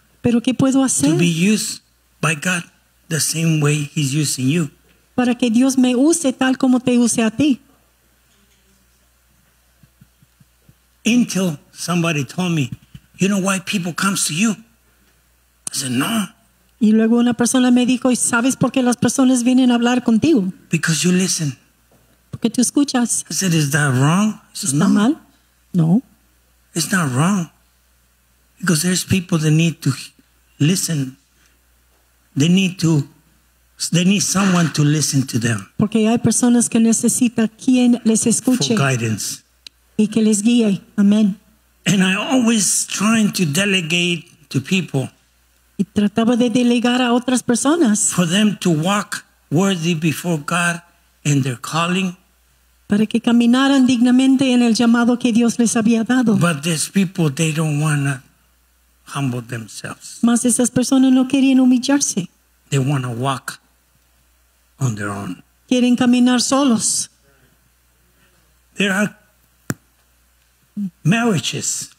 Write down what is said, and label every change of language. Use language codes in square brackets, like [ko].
[es] Pero ¿qué puedo hacer? [en] To be used by God the same way he's using you. [es] Para que Dios me use tal como te use a ti. [en] Until somebody told me, you know why people come to you? I said, no. [es] Y luego una persona me dijo, ¿sabes por qué las personas vienen a hablar contigo? [en] Because you listen. [es] Porque tú escuchas. [en] I said, is that wrong? I said, [es] ¿está mal? No. [en] It's not wrong. Because there's people that need to listen. They need someone to listen to them. [es] Porque hay personas que necesitan quien les escuche. [en] For guidance. [es] Y que les guíe. Amén. [en] And I always trying to delegate to people. [es] Y trataba de delegar a otras personas. [en] For them to walk worthy before God in their calling. [es] Para que caminaran dignamente en el llamado que Dios les había dado. [en] But these people, they don't want to humble themselves. [es] Mas esas personas no querían humillarse. [en] They want to walk on their own. [es] Quieren caminar solos. [en] There are marriages.